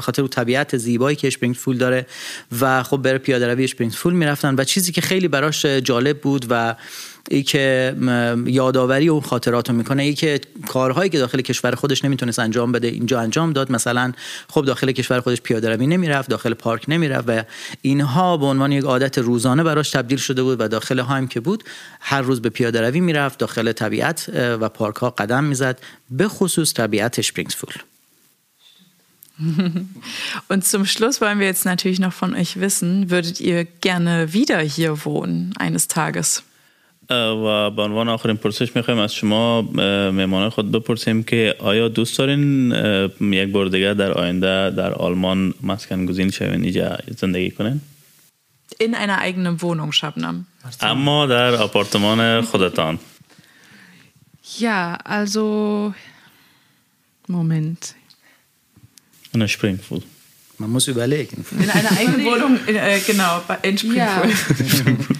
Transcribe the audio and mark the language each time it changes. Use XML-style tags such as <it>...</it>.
<fa>طبیعت زیبایی که اسپرینگفول داره و خب بر پیاده روی اسپرینگفول میرفتن و چیزی که خیلی براش جالب بود و ای که یاداوری اون خاطرات رو میکنه ای که کارهایی که داخل کشور خودش نمیتونست انجام بده اینجا انجام داد، مثلا خب داخل کشور خودش پیاده روی نمیرفت، داخل پارک نمیرفت و اینها به عنوان یک عادت روزانه براش تبدیل شده بود و داخل هایم که بود هر روز به پیاده روی میرفت، داخل طبیعت و پارک ها قدم میزد، به خصوص طبیعت اسپرینگفول.</fa> <de>Und zum Schluss wollen wir jetzt natürlich noch von euch wissen, würdet ihr gerne wieder hier wohnen eines Tages?</de> <fa>و به عنوان آخرین پرسش میخوایم از شما مهمانای خود بپرسیم که آیا دوست دارین یک بار دیگه در آینده در آلمان مسکن گزین شوین یا زندگی کنین؟</fa> <de>In einer eigenen Wohnung, Shabnam.</de> <fa>اما در آپارتمان خودتان.</fa> <de>Ja, also Moment. In Springfield. Man muss überlegen. In einer eigenen Wohnung, genau, in Springfield.</de>